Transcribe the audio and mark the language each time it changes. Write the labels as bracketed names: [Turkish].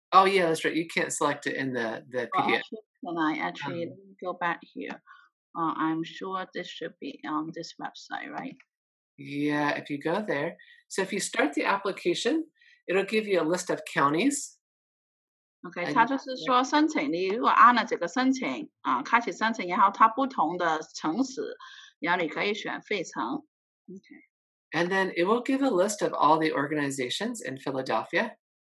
[English] Oh, yeah, that's right. You can't select it in the PDF. Actually, can I actually go back here? I'm sure this should be on this website, right? Yeah, if you go there. So if you start the application, it'll give you a list of counties. [Chinese] Okay, 它就是说申请,你如果按了这个申请,开启申请,然后它不同的城市,然后你可以选费城。 [English] Okay. And then it will give a list of all the organizations in Philadelphia.